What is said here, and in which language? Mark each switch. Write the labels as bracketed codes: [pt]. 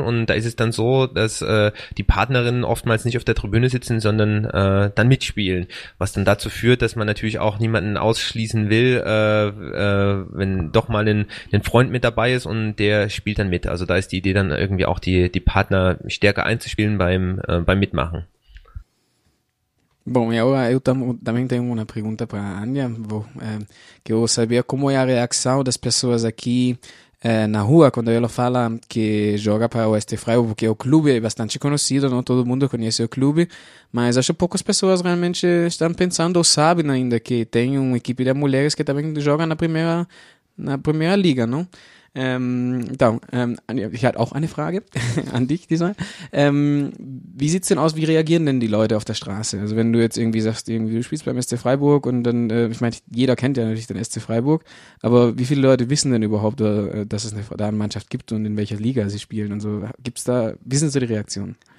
[de] Und da ist es dann so, dass die Partnerinnen oftmals nicht auf der Tribüne sitzen, sondern dann mitspielen. Was dann dazu führt, dass man natürlich auch niemanden ausschließen will, wenn doch mal ein Freund mit dabei ist und der spielt dann mit. Also da ist die Idee dann irgendwie auch die Partner stärker einzuspielen beim Mitmachen. [pt] Bom, e agora eu também tenho uma pergunta para a Anja, que eu sabia como é a reação das pessoas aqui na rua quando ela fala que joga para o Oeste Freiburg, porque o clube é bastante conhecido, não todo mundo conhece o clube, mas acho que poucas pessoas realmente estão pensando ou sabem ainda que tem uma equipe de mulheres que também joga na primeira liga, não? Então, [de] Anja, ich hatte auch eine Frage an dich diesmal. Wie sieht's denn aus? Wie reagieren denn die Leute auf der Straße? Also wenn du jetzt irgendwie sagst, irgendwie du spielst beim SC Freiburg und dann, ich meine, jeder kennt ja natürlich den SC Freiburg, aber wie viele Leute wissen denn überhaupt, dass es da eine Mannschaft gibt und in welcher Liga sie spielen und so? Gibt's da, wie sind so die Reaktionen?